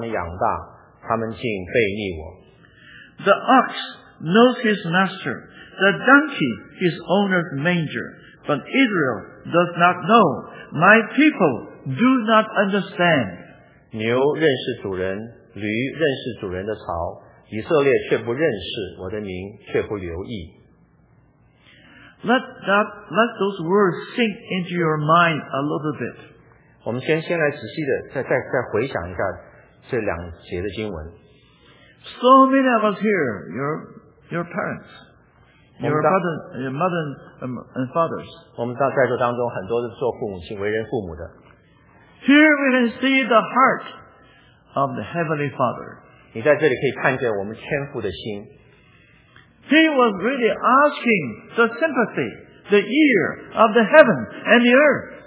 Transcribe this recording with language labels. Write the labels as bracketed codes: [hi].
[zh] 天哪要听，地啊，侧耳而听，因为耶和华说，我养育儿女，将他们养大，他们竟背逆我。 [en] The ox knows his master, the donkey his owner's manger, but Israel does not know. My people do not understand. [zh] 牛认识主人，驴认识主人的槽。以色列却不认识我的名，却不留意。 [en] Let those words sink into your mind a little bit. [zh] 我们先来仔细的再回想一下这两节的经文。 [en] So many of us here, your parents, your father, your mother and fathers. [zh] 我们在座当中很多是做父母亲、为人父母的。 [en] Here we can see the heart of the Heavenly Father. [zh] 你在这里可以看见我们天父的心。 [en] He was really asking the sympathy, the ear of the heaven and the earth.